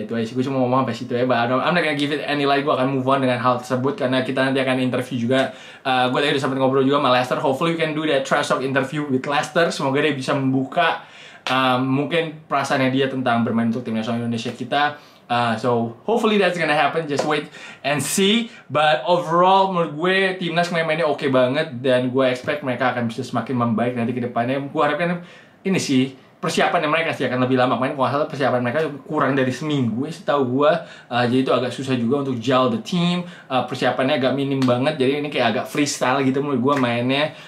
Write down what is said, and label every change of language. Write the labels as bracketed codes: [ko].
[id] Itu aja sih, gue cuma ngomong sampai situ ya. [en] But I'm not gonna give it any light, [id] gue akan move on dengan hal tersebut karena kita nanti akan interview juga. Gue tadi udah sempat ngobrol juga sama Lester, [en] hopefully we can do that trash talk interview with Lester. [id] Semoga dia bisa membuka mungkin perasaannya dia tentang bermain untuk tim nasional Indonesia kita. [en] So hopefully that's gonna happen, just wait and see. [id] But overall menurut gue timnas mainnya oke banget, dan gue expect mereka akan bisa semakin membaik nanti ke depannya. Gue harapkan ini sih persiapannya mereka sih akan lebih lama. Main kuasa persiapan mereka kurang dari seminggu ya setahu gue. Jadi itu agak susah juga untuk [en] gel the team. [id] Persiapannya agak minim banget, jadi ini kayak agak freestyle gitu menurut gue mainnya.